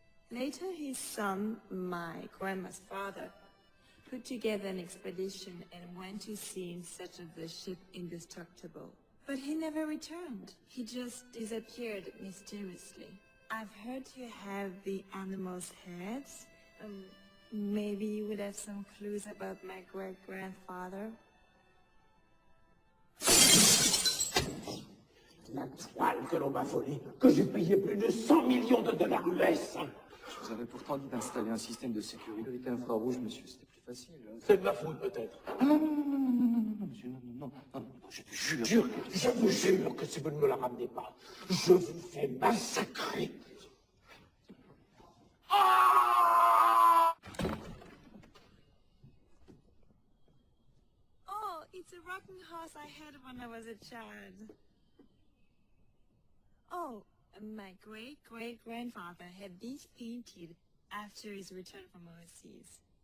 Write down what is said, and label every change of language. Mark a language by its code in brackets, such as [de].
[en] Later, his son, my grandma's father, put together an expedition and went to sea in search of the ship Indestructible. But he never returned. He just disappeared mysteriously. I've heard you have the animal's heads. Maybe you would have some clues about my great-grandfather. [fr] La toile que l'on m'a volée, que j'ai payé plus de 100 millions de dollars US. Je vous avais pourtant dit d'installer un système de sécurité avec infrarouge, monsieur, c'était plus facile. Hein. C'est de ma faute, peut-être. Non, monsieur, je vous jure que si vous ne me la ramenez pas, je vous fais massacrer. [en] Oh, it's a rocking horse I had when I was a child. Oh, my great-great-grandfather had these painted after his return from overseas.